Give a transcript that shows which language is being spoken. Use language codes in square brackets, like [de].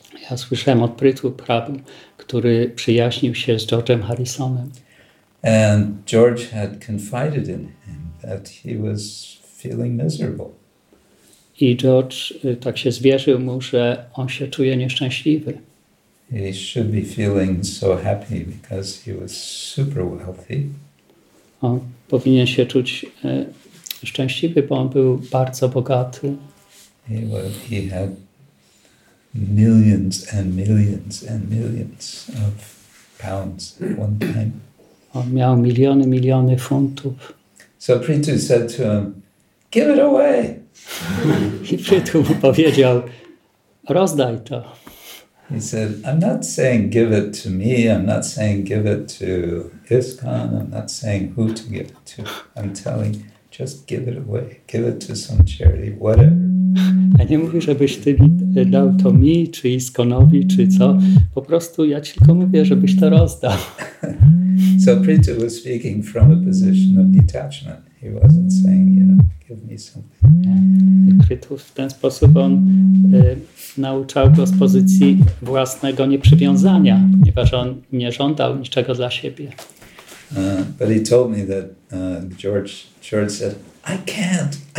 [pl] Ja słyszałem od Prithu Prabhu, który przyjaźnił się z Georgem Harrisonem. [en] And George had confided in him that he was feeling miserable. [pl] I George tak się zwierzył mu, że on się czuje nieszczęśliwy. [en] He should be feeling so happy because he was super wealthy. [pl] On powinien się czuć szczęśliwy, bo on był bardzo bogaty. [en] He had millions and millions and millions of pounds at one time. [pl] On miał miliony, miliony funtów. [en] So Prithu said to him, give it away! [pl] I Prithu mu powiedział, rozdaj to. [en] He said, I'm not saying give it to me, I'm not saying give it to ISKCON, I'm not saying who to give it to. I'm telling, just give it away. Give it to some charity, whatever. [pl] Ja nie mówię, żebyś ty dał to mi, czy ISKCONowi, czy co. Po prostu ja ci tylko mówię, żebyś to rozdał. [en] So Prithu was speaking from a position of detachment. He wasn't saying, you know, give me something. [pl] Prithu w ten sposób on nauczał go z pozycji własnego nieprzywiązania, ponieważ on nie żądał niczego dla siebie. [en] But he told me that George said, I can't.